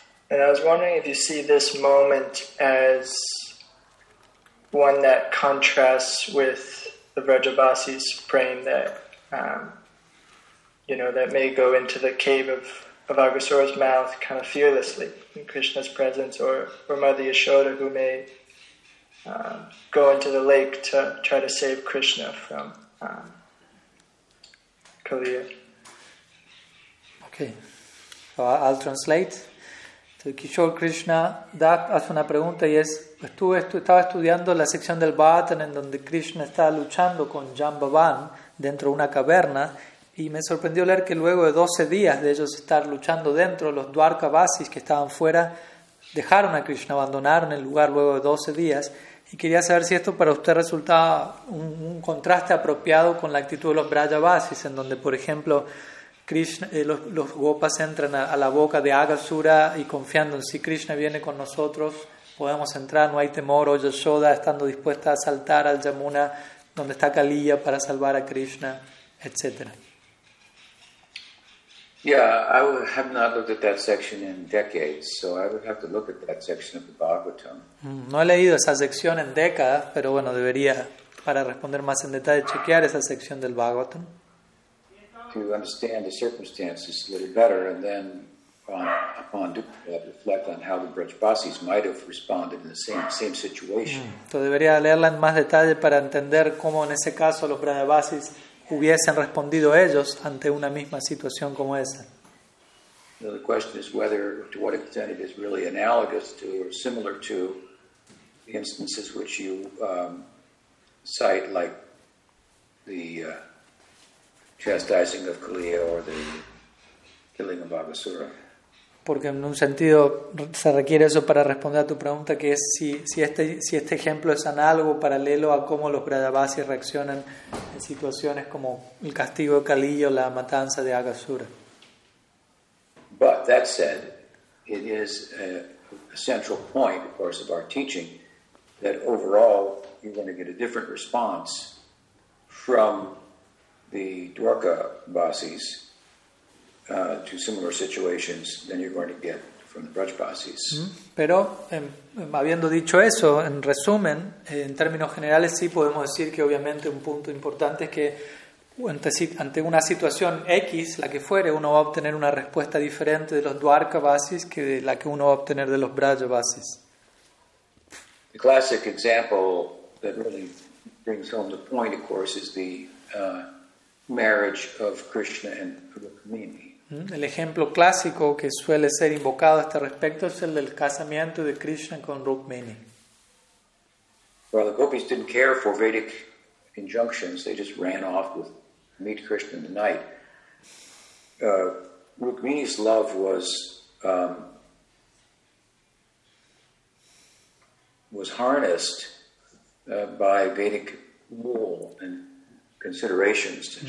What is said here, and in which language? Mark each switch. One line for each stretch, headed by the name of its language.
English: And I was wondering if you see this moment as one that contrasts with the Vrajavasis praying that, you know, that may go into the cave of Agasura's mouth kind of fearlessly in Krishna's presence, or Mother Yashoda who may go into the lake to try to save Krishna from Kaliya. Okay, so I'll translate.
Spanish: So Kishore Krishna Dak hace una pregunta y es, estaba estudiando la sección del Bhagavatam en donde Krishna está luchando con Jambavan dentro de una caverna. Y me sorprendió leer que luego de 12 días de ellos estar luchando dentro, los Dwarkavasis que estaban fuera dejaron a Krishna, abandonaron el lugar luego de 12 días. Y quería saber si esto para usted resultaba un contraste apropiado con la actitud de los Vrajavasis, en donde, por ejemplo, Krishna, los Gopas entran a la boca de Agasura y confiando en si Krishna viene con nosotros, podemos entrar, no hay temor, o Yashoda estando dispuesta a saltar al Yamuna, donde está Kaliya para salvar a Krishna, etc.
English: Yeah, I would have not looked at that section in decades, so I would have to look at that section of the Bhagavatam.
Spanish: No he leído esa sección en décadas, pero bueno, debería, para responder más en detalle, chequear esa sección del Bhagavatam.
English: To understand the circumstances a little better, and then upon reflect on how the Vrajavasis might have responded in the same situation.
Spanish: Entonces debería leerla en más detalle para entender cómo en ese caso los Vrajavasis hubiesen respondido ellos ante una misma situación como esa.
English: The question is whether, to what extent it is really analogous to or similar to the instances which you cite, like the chastising of Kaliya or the killing of Agasura.
Spanish: Porque en un sentido se requiere eso para responder a tu pregunta, que es si este ejemplo es análogo, paralelo a cómo los Vrajavasis reaccionan en situaciones como el castigo de Kaliya o la matanza de Agasura.
English: But that said, it is a central point, of course, of our teaching, that overall you're going to get a different response from the Dwarkavasis to similar situations than you're going to get from the Vrajavasis.
Spanish: Pero habiendo dicho eso, en resumen, en términos generales sí podemos decir que obviamente un punto importante es que ante una situación X, la que fuere, uno va a obtener una respuesta diferente de los Dwarkavasis que de la que uno va a obtener de los Vrajavasis.
English: The classic example that really brings home the point, of course, is the marriage of Krishna and Rukmini.
Spanish: El ejemplo clásico que suele ser invocado a este respecto es el del casamiento de Krishna con Rukmini.
English: Well, the gopis didn't care for Vedic injunctions. They just ran off with meet Krishna in the night. Rukmini's love was harnessed by Vedic rule and considerations. Mm.